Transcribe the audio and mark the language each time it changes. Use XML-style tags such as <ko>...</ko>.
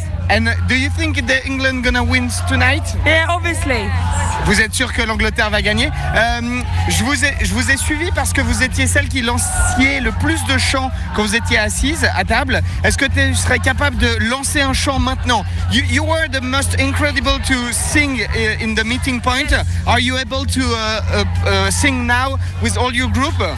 <en>And do you think that England gonna win tonight? Yeah, obviously.</en> <fr>Vous êtes sûr que l'Angleterre va gagner? Je vous ai suivi parce que vous étiez celle qui lançait le plus de chants quand vous étiez assise à table. Est-ce que tu serais capable de lancer un chant maintenant?</fr> <en>You were the most incredible to sing in the meeting point. Yes. Are you able to sing now with all your group?</en>